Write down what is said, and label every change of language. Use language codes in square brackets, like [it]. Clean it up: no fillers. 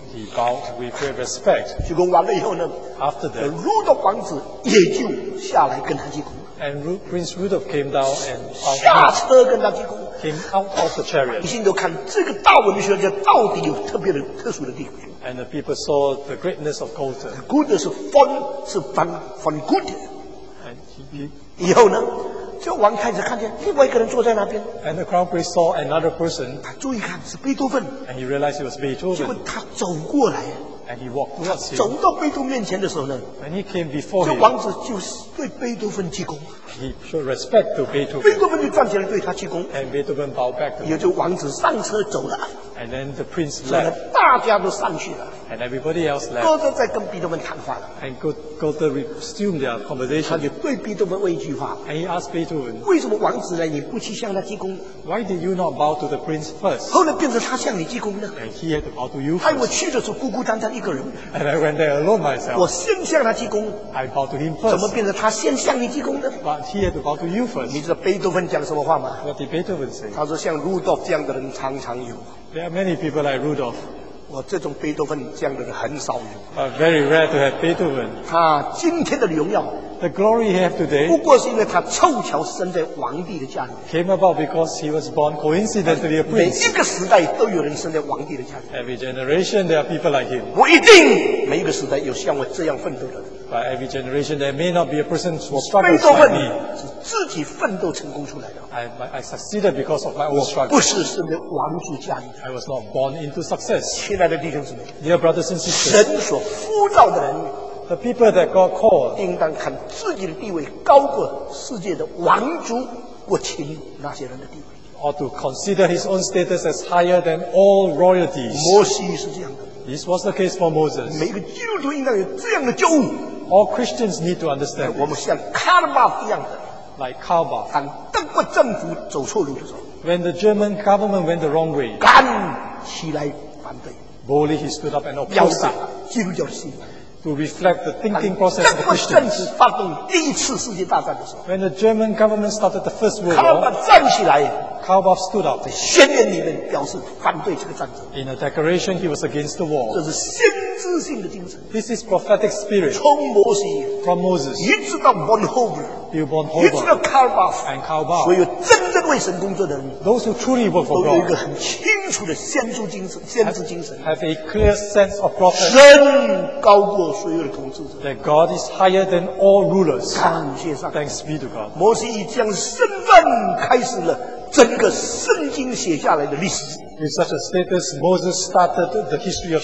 [en] He bowed with great respect. [zh] 鞠躬完了以后呢， [en] after that, [zh] 鲁道夫王子也就下来跟他鞠躬。 [en] And Prince Rudolf came down and [zh] 下车跟他鞠躬。 [en] Came out of the chariot. [zh] 百姓都看这个大文学家到底有特别的特殊的地方。 [en] And the people saw the greatness of Goethe. [zh] Goethe 是 von Goethe. 以后呢，就王太子看见另外一个人坐在那边。 [en] And the crown prince saw another person. [zh] 他注意看是贝多芬。 [en] And he realized it was Beethoven. [zh] 结果他走过来。 [en] And he walked towards him. [zh] 走到贝多面前的时候呢。 [en] And he came before him. [zh] 这王子就对贝多芬鞠躬。 [en] He showed respect to Beethoven. [zh] 贝多芬就站起来对他鞠躬。 [en] And Beethoven bowed back. [zh] 也就王子上车走了。 [en] And then the prince left. [zh] 大家都上去了。 [en] And everybody else left. [zh] 歌德在跟彼得们谈话了。 [en] And Goethe resumed their conversation. [zh] 他就对彼得们问一句话。 [en] And he asked Beethoven. [zh] 为什么王子呢？你不去向他鞠躬 [en] ？Why did you not bow to the prince first? [zh] 后来变成他向你鞠躬呢 [en] ？And he had to bow to you first. [zh] 我去的时候孤孤单单一个人。 [en] And I went there alone myself. [zh] 我先向他鞠躬。 [en] I bowed to him first. [zh] 怎么变成他先向你鞠躬呢 [en] ？But he had to bow to you first. [zh] 你知道贝多芬讲什么话吗 [en] ？What did Beethoven say? [zh] 他说像 Rudolf 这样的人常常有。 [en] There are many people like Rudolf. [zh] 我这种贝多芬这样的人很少有。 [en] Very rare to have Beethoven. [zh] 他今天的荣耀。 [en] The glory he has today. [zh] 不过是因为他凑巧生在王帝的家里。 [en] Came about because he was born coincidentally a prince. [zh] 每一个时代都有人生在王帝的家里。 [en] Every generation there are people like him. [zh] 我一定每一个时代有像我这样奋斗的人。 [en] But every generation there may not be a person who struggles like me. [zh] 贝多芬是自己奋斗成功出来的。 [en] I succeeded because of my own struggle. [zh] 不是生在王族家里。 [en] I was not born into success. [zh] 亲爱的弟兄姊妹。 [en] Dear brothers and sisters. [zh] 神所呼召的人。 [en] The people that God called. [zh] 应当看自己的地位高过世界的王族或秦那些人的地位。 [en] Or to consider his own status as higher than all royalties. [zh] 摩西是这样的。 [en] This was the case for Moses. [zh] 每一个基督徒应当有这样的觉悟。 [en] All Christians need to understand. [zh] 我们像卡尔巴一样的。 [en] Like Karl Barth. [zh] 当德国政府走错路的时候。 [en] When the German government went the wrong way. [zh] 敢起来反对。 [en] Boldly he stood up and opposed. [zh] 表达基督教的信仰。 [en] To reflect the thinking process of the Christians. [zh] 德国政府发动第一次世界大战的时候。 [en] When the German government started the First World War. [zh] 卡尔巴站起来。 [en] Karl Barth stood up. [zh] 在宣言里面表示反对这个战争。 [en] In a declaration he was against the war. [zh] 这是先知性的精神。 [en] This is prophetic spirit. [zh] 从摩西。 [en] From Moses. [zh] 一直到 Bonhoeffer. [en] Bill Bonhoeffer. [zh] 一直到 Karl Barth. [en] And Karl Barth. [zh] 所有真正为神工作的人。 [en] Those who truly work for God. [zh] 都有一个很清楚的先知精神。先知精神。 [en] Have a clear sense of prophet. [zh] 神高过所有的统治者。 [en] That God is higher than all rulers. [zh] 感谢上帝。 [en] Thanks be to God. [zh] 摩西以这样身份开始了。整个圣经写下来的历史。 [en] with such a status, Moses started the history of